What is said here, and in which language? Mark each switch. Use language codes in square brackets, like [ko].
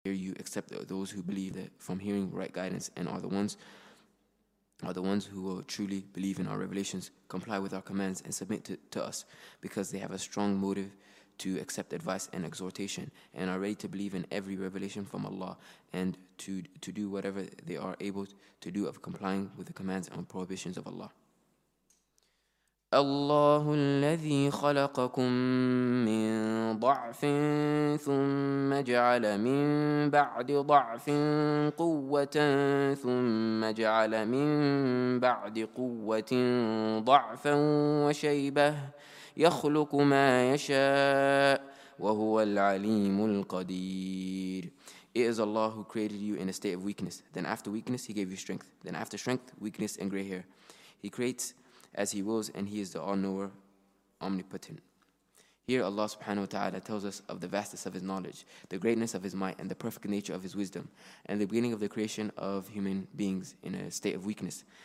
[en] Here you accept those who believe that from hearing right guidance and are the ones who will truly believe in our revelations, comply with our commands and submit to us, because they have a strong motive to accept advice and exhortation and are ready to believe in every revelation from Allah and to do whatever they are able to do of complying with the commands and prohibitions of Allah. [ar] الله الذي خلقكم من ضعف ثم جعل من بعد ضعف قوة ثم جعل من بعد قوة ضعفا وشيبة يخلق ما يشاء وهو العليم القدير. [en] It is Allah who created you in a state of weakness. Then after weakness, He gave you strength. Then after strength, weakness and gray hair. He creates as He wills, and He is the all-knower, omnipotent. Here Allah subhanahu wa ta'ala tells us of the vastness of His knowledge, the greatness of His might, and the perfect nature of His wisdom, and the beginning of the creation of human beings in a state of weakness.